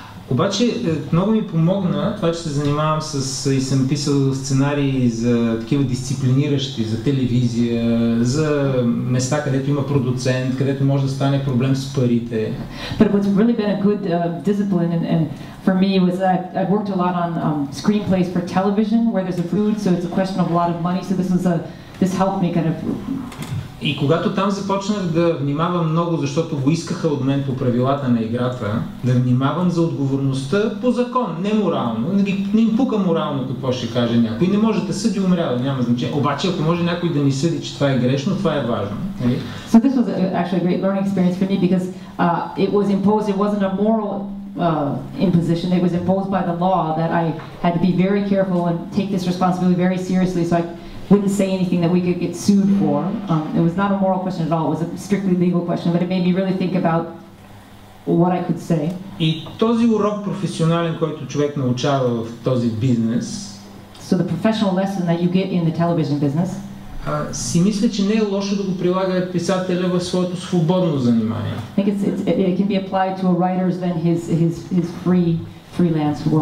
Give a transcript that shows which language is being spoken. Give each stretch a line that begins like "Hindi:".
Bulgarian: Обаче много ми помогна това, че се занимавам и съм писал сценарии за такива дисциплиниращи, за телевизия, за места, където има продуцент, където може да стане проблем с парите.
English: But what's really been a good discipline and for me was that I've worked a lot on screenplays for television where there's a food, so it's a question of a lot of money, so this helped me kind of.
Bulgarian: И когато там започнах да внимавам много, защото го искаха от мен по правилата на играта, да внимавам за отговорността по закон, не морално. Не им пука морално какво ще каже някой. Не може да съди, умрява, няма значение. Обаче, ако може някой да ни съди, че това е грешно, това е важно.
English: So this was actually a great learning experience for me, because it was imposed, it wasn't a moral imposition, it was imposed by the law that I had to be very careful and take this responsibility very seriously, so I wouldn't say anything that we could get sued for. It was not a moral question at all, it was a strictly legal question, but it made me really think about what I could say.
Bulgarian: И този урок професионален, който човек научава в този бизнес,
English: so the professional lesson that you get in the television business,
Bulgarian: си мисля, че не е лошо да го прилага писателя в своето свободно занимание.
English: I think it can be applied to a writer's then his freelance work.